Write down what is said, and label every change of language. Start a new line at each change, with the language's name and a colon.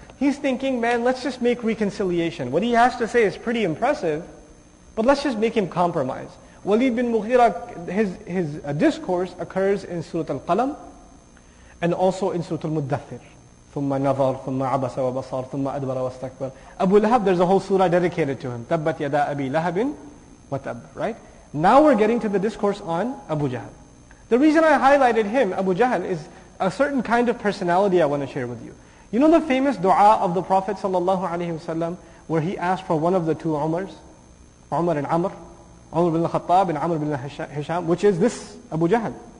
English: He's thinking, man, let's just make reconciliation. What he has to say is pretty impressive, but let's just make him compromise. Walid bin Mughira, his discourse occurs in Surat Al-Qalam and also in Surat Al-Muddathir.
Arabic: ثُمَّ نَظَرْ ثُمَّ عَبَسَ وَبَصَرْ ثُمَّ أَدْبَرَ وَاسْتَكْبَرْ
English: Abu Lahab, there's a whole surah dedicated to him.
Arabic: تَبَّتْ يَدَا أَبِي لَهَبٍ وَتَبَّ
English: Right? Now we're getting to the discourse on Abu Jahl. The reason I highlighted him, Abu Jahl, is a certain kind of personality I want to share with you. You know the famous dua of the Prophet ﷺ where he asked for one of the two Umars? Umar and Amr. Umar bin al-Khattab and Amr bin al-Hisham, which is this Abu Jahl.